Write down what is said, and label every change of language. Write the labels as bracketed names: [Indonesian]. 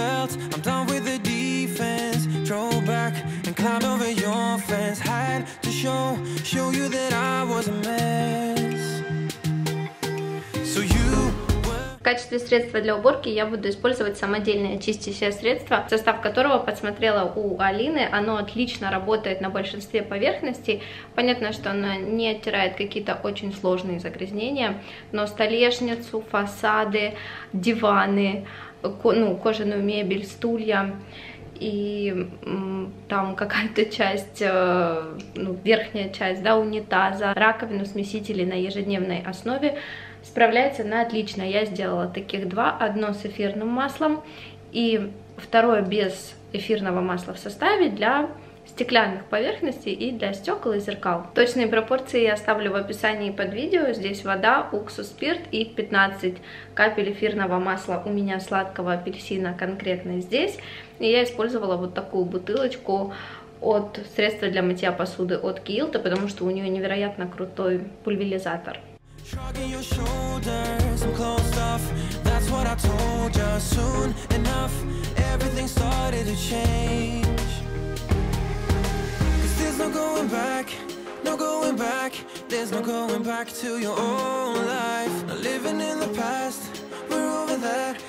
[English] I'm done with the defense. Throw back and climb over your fence. Had to show you that I was a mess. So you. [Russian] В качестве средства для уборки я буду использовать самодельное чистящее средство, состав которого подсмотрела у Алины. Оно отлично работает на большинстве поверхностей. Понятно, что оно не оттирает какие-то очень сложные загрязнения, но столешницу, фасады, диваны, кожаную мебель, стулья и там какая-то часть, верхняя часть, да, унитаза, раковину, смесители на ежедневной основе, справляется на отлично. Я сделала таких два, одно с эфирным маслом и второе без эфирного масла в составе для стеклянных поверхностей и для стекол и зеркал. Точные пропорции я оставлю в описании под видео. Здесь вода, уксус, спирт и 15 капель эфирного масла у меня сладкого апельсина конкретно здесь. И я использовала вот такую бутылочку от средства для мытья посуды от Kielta, потому что у нее невероятно крутой пульверизатор. [English] Shrugging your shoulders, some closed off. That's what I told you. Soon enough, everything started to change. 'Cause there's no going back, no going back. There's no going back to your own life. Now living in the past, we're over that.